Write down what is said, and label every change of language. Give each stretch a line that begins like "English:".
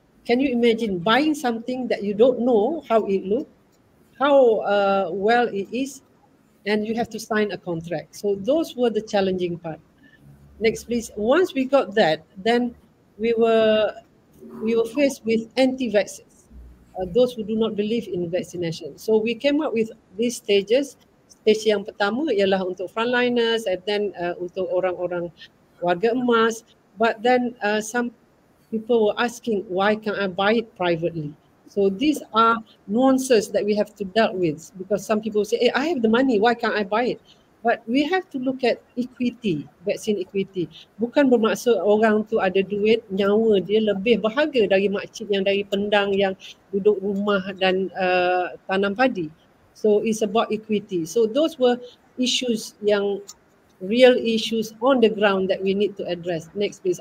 English: Can you imagine buying something that you don't know how it looks, how well it is, and you have to sign a contract? So those were the challenging part. Next, please. Once we got that, then we were faced with anti-vaxxers, those who do not believe in vaccination. So we came up with these stages.
Malay: Stage yang pertama ialah untuk frontliners,
English: and then
Malay: untuk orang-orang warga emas.
English: But then some people were asking, why can't I buy it privately? So these are nuances that we have to deal with, because some people say, hey, I have the money, why can't I buy it? But we have to look at equity, vaccine equity.
Malay: Bukan bermaksud orang tu ada duit, nyawa dia lebih berharga dari makcik yang dari Pendang yang duduk rumah dan tanam padi.
English: So it's about equity. So those were issues yang real issues on the ground that we need to address. Next, please.